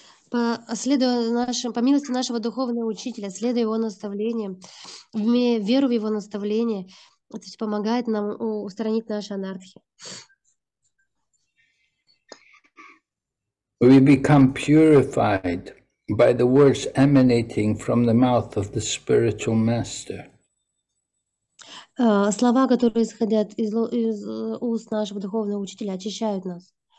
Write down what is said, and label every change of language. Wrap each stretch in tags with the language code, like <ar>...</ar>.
<ru>По милости нашего духовного учителя, следуя его наставлениям, имея веру в его наставление, это помогает нам устранить наши анархи.</ru> <en>We become purified by the words emanating from the mouth of the spiritual master.</en> <ru>Слова, которые исходят из уст нашего духовного учителя, очищают нас.</ru>